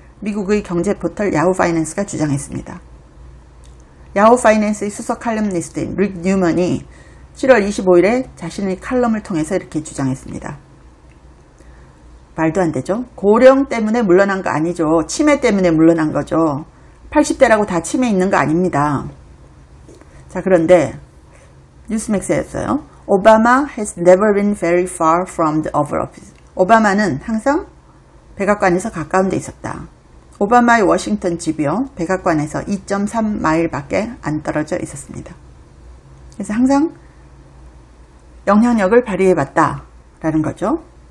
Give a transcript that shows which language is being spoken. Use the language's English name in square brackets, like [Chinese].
[Korean] 미국의 경제 포털 야후 파이낸스가 주장했습니다. 야후 파이낸스의 수석 칼럼니스트인 릭 뉴먼이 7월 25일에 자신의 칼럼을 통해서 이렇게 주장했습니다. 말도 안 되죠. 고령 때문에 물러난 거 아니죠. 치매 때문에 물러난 거죠. 80대라고 다 치매 있는 거 아닙니다. 자, 그런데 뉴스맥스였어요. [English] Obama has never been very far from the Oval Office. [Korean] 오바마는 항상 백악관에서 가까운 데 있었다. 오바마의 워싱턴 집이요. 백악관에서 2.3마일밖에 안 떨어져 있었습니다. 그래서 항상 영향력을 발휘해봤다라는 거죠.